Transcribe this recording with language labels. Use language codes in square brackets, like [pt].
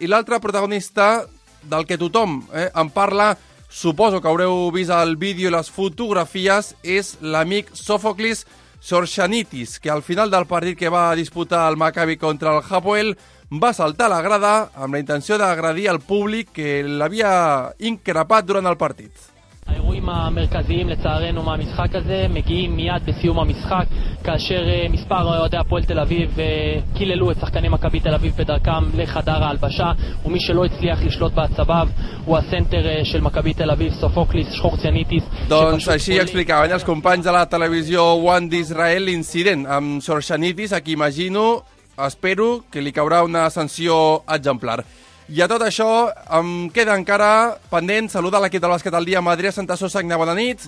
[ca] I l'altre protagonista del que tothom en parla, suposo que haureu vist el vídeo i les fotografies, és l'amic Sòfocles Xorxanítis, que al final del partit que va disputar el Maccabi contra el Hapoel va saltar a la grada amb la intenció d'agredir al públic que l'havia increpat durant el partit. [he] האירועים המרכזיים לצערנו מהמשחק הזה מגיעים מיד בסיום המשחק, כאשר מספר אוהדי הפועל תל אביב קיללו את שחקני מכבי תל אביב בדרכם לחדר ההלבשה, ומי שלא הצליח לשלוט בעצביו הוא הסנטר של מכבי תל אביב, סופוקליס שחורציאניטיס. [ca] Doncs així explicaven els companys de la televisió One d'Israel l'incident amb Xorxanítis, a qui imagino, espero, que li caurà una sanció exemplar. I a tot això, em queda encara pendent saludar l'equip de bàsquet al dia amb Adrià Santasó. Sagna, bona nit.